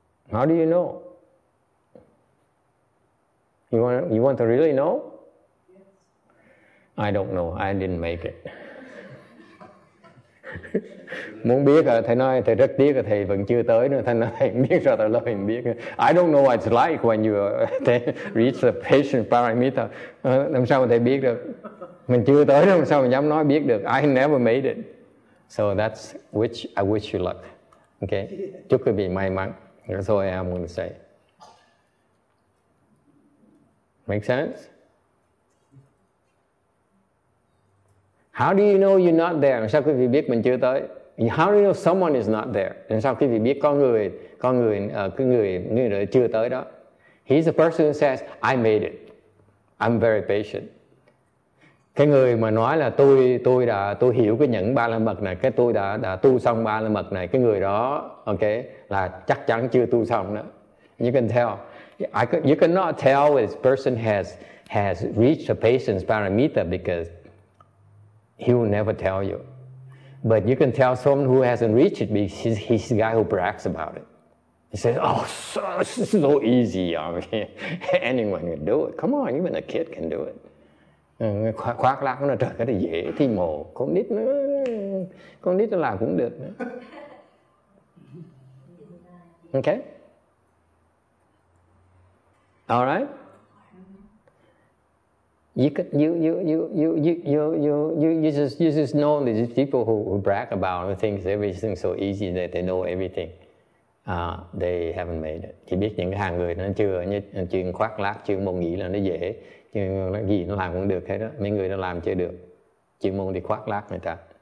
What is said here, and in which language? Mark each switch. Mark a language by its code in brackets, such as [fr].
[en] How do you know? You want to really know? I don't know. I didn't make it. [vi] Muốn biết à, thầy nói thầy rất tiếc là thầy vẫn chưa tới nữa. Thầy nói thầy biết ra tới lời biết. [en] I don't know what it's like when you reach the patient parameter. [vi] Làm sao mà thầy biết được? Mình chưa tới đâu, làm sao mình dám nói biết được? [en] I never made it. So that's which I wish you luck. Okay. [vi] Chúc quý vị may mắn. [en] That's all I am going to say. Make sense? How do you know you're not there? [vi] Sao quý vị biết mình chưa tới? [en] How do you know someone is not there? [vi] Sao quý vị biết con người đó chưa tới đó? [en] He's the person who says, I made it. I'm very patient. [vi] Cái người mà nói là tôi hiểu cái nhẫn ba la mật này, cái tôi đã tu xong ba la mật này, cái người đó, okay, là chắc chắn chưa tu xong đó. [en] You can tell. You cannot tell if this person has reached a patience parameter because he will never tell you. But you can tell someone who hasn't reached it because he's the guy who brags about it. He says, oh, so, this is so easy. I mean, anyone can do it. Come on, even a kid can do it. [vi] Khoác lác nó trời, cái này dễ thì mồ. Con nít nữa, con nít nó làm cũng được nữa. [en] Okay? All right? You just know these people who brag about and think everything's so easy that they know everything. They haven't made it. [vi] Chỉ biết những hàng người nó chưa như chuyện khoác lác, chuyện mông nghĩ là nó dễ, chuyện gì nó làm cũng được hết đó. Mấy người nó làm chưa được, chuyện mông thì khoác lác người ta.